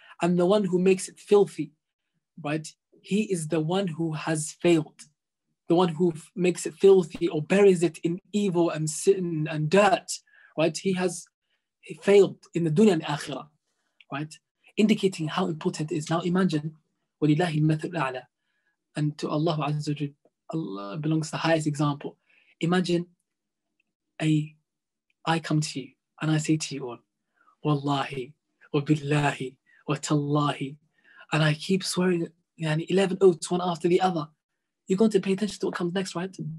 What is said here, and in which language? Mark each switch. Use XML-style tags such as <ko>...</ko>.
<en>And the one who makes it filthy, right? He is the one who has failed. The one who makes it filthy or buries it in evil and sin and dirt, right? He failed in the dunya and akhirah, right? Indicating how important it is. Now imagine,</en> <ar>وَلِلَّهِ الْمَثَلُ الْأَعْلَى.</ar> <en>And to Allah Azza wa Jal, Allah belongs the highest example. Imagine I come to you and I say to you all,</en> <ar>Wallahi, wa billahi, wa tallahi.</ar> <en>And I keep swearing, yani 11 oaths one after the other. You're going to pay attention to what comes next, right?</en>